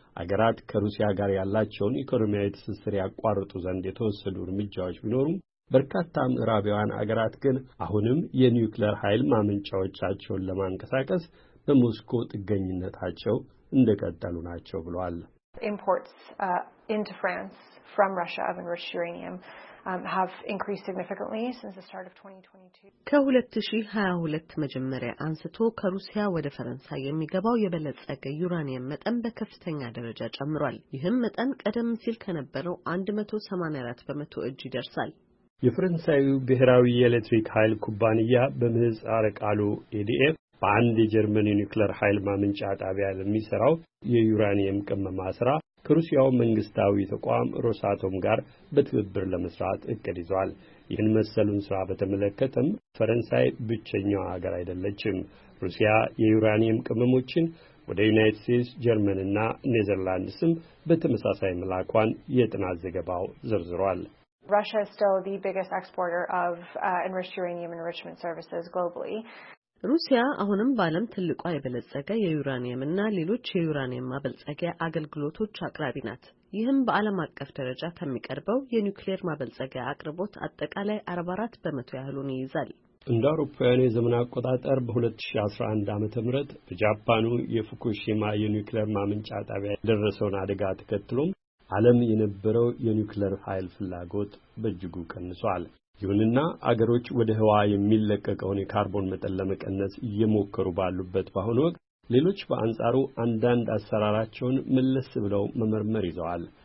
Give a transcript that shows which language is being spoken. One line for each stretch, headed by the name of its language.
Amharic: አገራት ከሩሲያ ጋር ያላቸውን ኢኮኖሚያዊ ትስስር ያቋርጡ ዘንድ የተወሰዱ እርምጃዎች ቢኖሩም በርካታ ምዕራባውያን አገራት ግን አሁንም የኒውክሌር ኃይል ማመንጫዎቻቸውን ለማንቀሳቀስ በሞስኮ ጥገኝነታቸው እንደቀጠሉ ናቸው ብሏል።
English: Imports into France from Russia of enriched uranium have increased significantly since the start of 2022.
Amharic: ከ2022 መጀመሪያ አንስቶ ከሩሲያ ወደ ፈረንሳይ የሚገባው የበለጸገ ዩራኒየም መጠን በከፍተኛ ደረጃ ጨምሯል። ይህም መጠን ቀደም ሲል ከነበረው 184% እጅ ይደርሳል። የፈረንሳይ ብሔራዊ የኤሌክትሪክ ኃይል ኩባንያ በምህጻረ ቃሉ ኤዲኤፍ በአንድ የጀርመን ኒውክሌር ኃይል ማመንጫ ጣቢያ ለሚሰራው የዩራኒየም ቅመማ ስራ ከሩሲያው መንግስታዊ ተቋም ሮሳቶም ጋር በትብብር ለመስራት እቅድ ይዟል። ይህን መሰሉን ስራ በተመለከተም ፈረንሳይ ብቸኛው ሀገር አይደለችም። ሩሲያ የዩራኒየም ቅመሞችን ወደ ዩናይትድ ስቴትስ፣ ጀርመንና ኔዘርላንድስም በተመሳሳይ መላኳን የጥናት ዘገባው ዘርዝሯል።
English: Russia is still the biggest exporter of enriched uranium enrichment services globally.
Amharic: ሩሲያ አሁንም ባለም ትልቋ የበለጸገ የዩራኒየምና ሌሎች የዩራኒየም ማበልጸጊያ አገልግሎቶች አቅራቢ ናት። ይህም በዓለም አቀፍ ደረጃ ከሚቀርበው የኒውክሌር ማበልጸጊያ አቅርቦት አጠቃላይ 44% ያህሉን ይይዛል። እንደ አውሮፓውያን የዘመን አቆጣጠር በ2011 ዓመተ ምህረት በጃፓኑ የፉኩሺማ የኒውክሌር ማመንጫ ጣቢያ ደረሰውን አደጋ ተከትሎም ዓለም የነበረው የኒውክሌር ኃይል ፍላጎት በእጅጉ ቀንሷል። ይሁንና አገሮች ወደ ህዋ የሚለቀቀውን የካርቦን መጠን ለመቀነስ እየሞከሩ ባሉበት በአሁኑ ወቅት ሌሎች በአንጻሩ አንዳንድ አሰራራቸውን መለስ ብለው መመርመር ይዘዋል።